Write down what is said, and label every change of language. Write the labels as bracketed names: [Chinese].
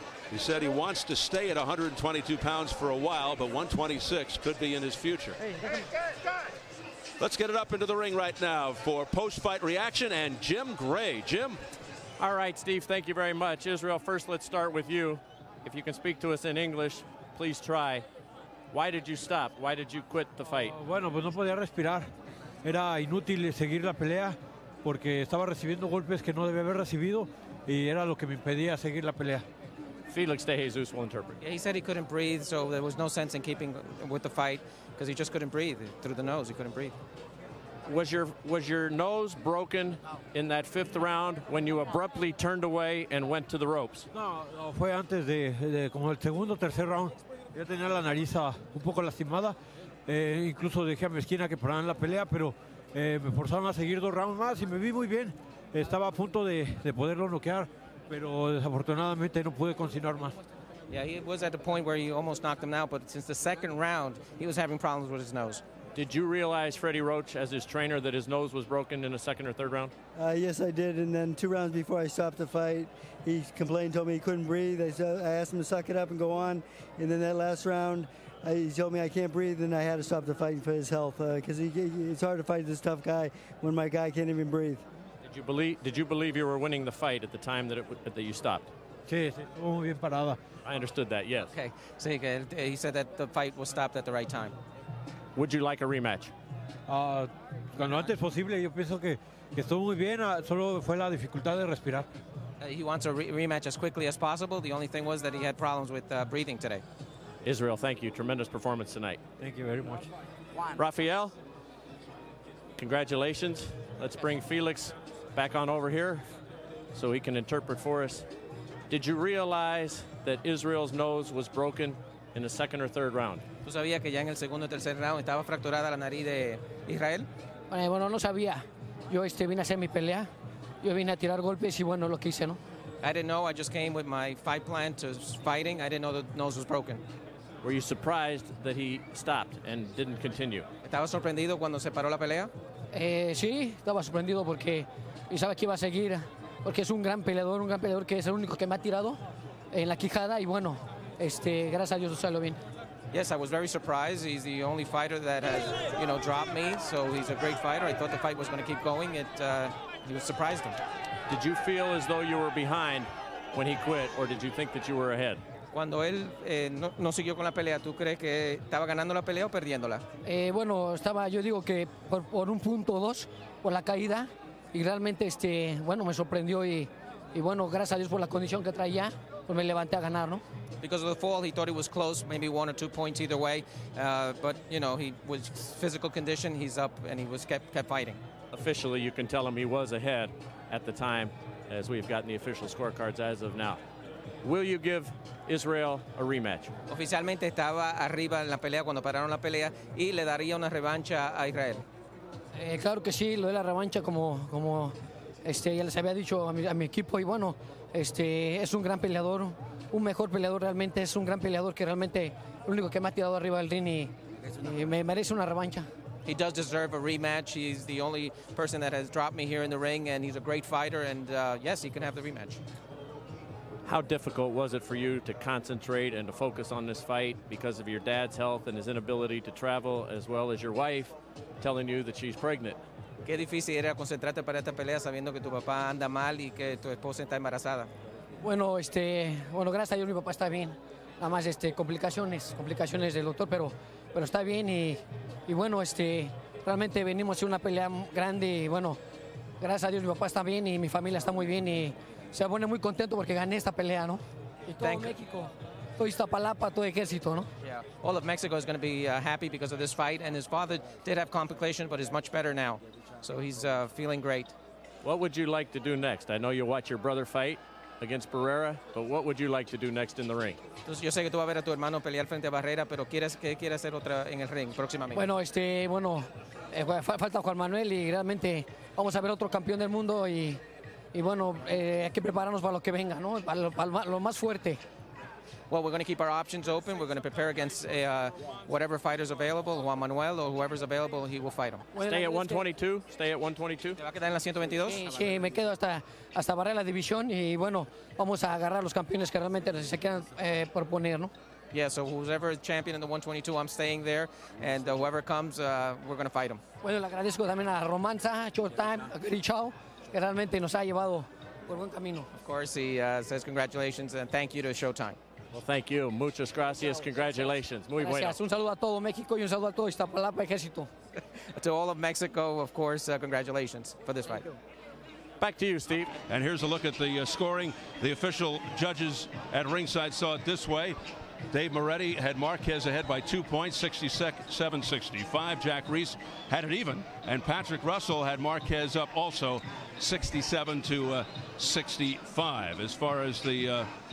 [English] He said he wants to stay at 122 pounds for a while, but 126 could be in his future. Let's get it up into the ring right now for post-fight reaction and Jim Gray. Jim. All right, Steve, thank you very much. Israel, first let's start with you. If you can speak to us in English, please try. Why did you stop? Why did you quit the fight? [Spanish] Bueno, pues no podía respirar. Era inútil seguir la pelea porque estaba recibiendo golpes que no debía haber recibido y era lo que me impedía seguir la pelea. [English] Felix de Jesus will interpret. Yeah, he said he couldn't breathe, so there was no sense in keeping with the fight because he just couldn't breathe through the nose. He couldn't breathe. Was your nose broken in that fifth round when you abruptly turned away and went to the ropes? [Spanish] No, fue antes de como el segundo o tercer round. Ya tenía la nariz un poco lastimada. Incluso dejé a mi esquina que pararan la pelea, pero me forzaron a seguir dos rounds más y me vi muy bien. Estaba a punto de poderlo noquear, pero desafortunadamente no pude continuar más. [English] Yeah, he was at the point where he almost knocked him out, but since the second round, he was having problems with his nose. Did you realize, Freddie Roach, as his trainer, that his nose was broken in the second or third round? Yes, I did. And then two rounds before I stopped the fight, he complained, told me he couldn't breathe. I asked him to suck it up and go on. And then that last round, he told me I can't breathe, and I had to stop the fight for his health. Because it's hard to fight this tough guy when my guy can't even breathe. Did you believe you were winning the fight at the time that you stopped? I understood that, yes. Okay, he said that the fight was stopped at the right time. Would you like a rematch? [Spanish] Cuando antes posible, yo pienso que estuvo muy bien, solo fue la dificultad de respirar. [English] He wants a rematch as quickly as possible. The only thing was that he had problems with breathing today. Israel, thank you. Tremendous performance tonight. Thank you very much. Rafael, congratulations. Let's bring Felix back on over here so he can interpret for us. Did you realize that Israel's nose was broken in the second or third round? [Spanish] ¿Tú sabías que ya en el segundo o tercer round estaba fracturada la nariz de Israel? Bueno, no sabía. Yo vine a hacer mi pelea. Yo vine a tirar golpes y bueno, lo que hice, ¿no? [English] I didn't know. I just came with my fight plan to fighting. I didn't know the nose was broken. Were you surprised that he stopped and didn't continue? [Spanish] ¿Estaba sorprendido cuando se paró la pelea? Sí, estaba sorprendido porque yo sabía que iba a seguir. Porque es un gran peleador que es el único que me ha tirado en la quijada y bueno, gracias a Dios lo salió bien. [English] Yes, I was very surprised. He's the only fighter that has, you know, dropped me. So he's a great fighter. I thought the fight was going to keep going. He was surprised him. Did you feel as though you were behind when he quit, or did you think that you were ahead? [Spanish] Cuando él no siguió con la pelea, ¿tú crees que estaba ganando la pelea o perdiéndola? Bueno, estaba. Yo digo que por un punto o dos por la caída. Y realmente bueno, me sorprendió y bueno, gracias a Dios por la condición que traía, pues me levanté a ganar, ¿no? [English] Because of the fall, he thought he was close, maybe one or two points either way. But, you know, he was physical condition, he's up, and he was kept fighting. Officially, you can tell him he was ahead at the time, as we've gotten the official scorecards as of now. Will you give Israel a rematch? [Spanish] Oficialmente estaba arriba en la pelea cuando pararon la pelea y le daría una revancha a Israel. Claro que sí, lo de la revancha como ya les había dicho a mi equipo y bueno, es un gran peleador, un mejor peleador realmente, es un gran peleador que realmente lo único que me ha tirado arriba del ring y me merece una revancha. [English] He does deserve a rematch. He's the only person that has dropped me here in the ring and he's a great fighter and yes, he can have the rematch. How difficult was it for you to concentrate and to focus on this fight because of your dad's health and his inability to travel, as well as your wife telling you that she's pregnant? [Spanish] Qué difícil era concentrarte para esta pelea sabiendo que tu papá anda mal y que tu esposa está embarazada. Bueno, bueno, gracias a Dios mi papá está bien. Nada más complicaciones del doctor, pero está bien y bueno, realmente venimos a una pelea grande y bueno, gracias a Dios mi papá está bien y mi familia está muy bien y se pone muy contento porque gané esta pelea, ¿no? Y todo [English] Thank [Spanish] México. Iztapalapa, todo ejército, ¿no? [English] Yeah. All of Mexico is going to be happy because of this fight, and his father did have complication, but is much better now. So he's feeling great. What would you like to do next? I know you'll watch your brother fight against Barrera, but what would you like to do next in the ring? [Spanish] Entonces, yo sé que tú vas a ver a tu hermano pelear frente a Barrera, pero ¿qué quieres hacer otra en el ring próximamente? Bueno, bueno, falta Juan Manuel y realmente vamos a ver otro campeón del mundo y bueno, hay que prepararnos para lo que venga, ¿no? Para lo más fuerte. [English] Well, we're going to keep our options open. We're going to prepare against whatever fighter's available, Juan Manuel or whoever's available, he will fight him. Stay at 122. Stay at 122. [Spanish] ¿Te va a quedar en la 122? Sí, me quedo hasta barrer la división y bueno, vamos a agarrar los campeones que realmente se quieran proponer, ¿no? [English] Yeah, so whoever is champion in the 122, I'm staying there, and whoever comes, we're going to fight him. [Spanish] Bueno, le agradezco también a Romanza, Showtime, Grichao, que realmente nos ha llevado por buen camino. [English] Of course, he says congratulations and thank you to Showtime. Well, thank you. [Spanish] Muchas gracias. [English] Congratulations. [Spanish] Muy bueno. Gracias. Un saludo a todo México y un saludo a todo Iztapalapa Ejército. [English] To all of Mexico, of course, congratulations for this fight. Back to you, Steve. And here's a look at the scoring. The official judges at ringside saw it this way. Dave Moretti had Marquez ahead by 2 points, 67-65. Jack Reese had it even. And Patrick Russell had Marquez up also, 67-65. As far as the...